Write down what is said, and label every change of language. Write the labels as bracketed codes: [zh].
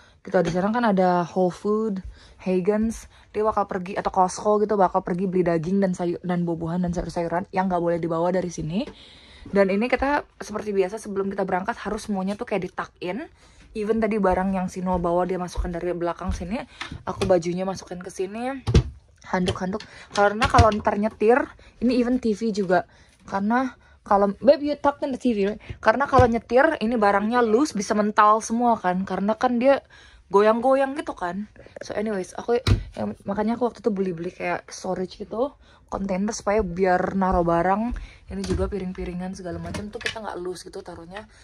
[id] Kita di sana kan ada Whole Food, Hagen's. Dia bakal pergi atau Costco gitu, bakal pergi beli daging dan sayur dan buah-buahan dan sayur-sayuran yang nggak boleh dibawa dari sini. Dan ini kita seperti biasa sebelum kita berangkat harus semuanya tuh kayak di tuck in. Even tadi barang yang si Noel bawa dia masukkan dari belakang sini, aku bajunya masukkan ke sini, handuk-handuk. Karena kalau ntar nyetir, ini even TV juga. Karena kalau [en] babe you talk in the TV, right? [id] Karena kalau nyetir ini barangnya loose bisa mental semua kan, karena kan dia goyang-goyang gitu kan. [en] So anyways, [id] makanya aku waktu itu beli-beli kayak storage gitu, container supaya biar naro barang. Ini juga piring-piringan segala macam tuh kita nggak loose gitu taruhnya.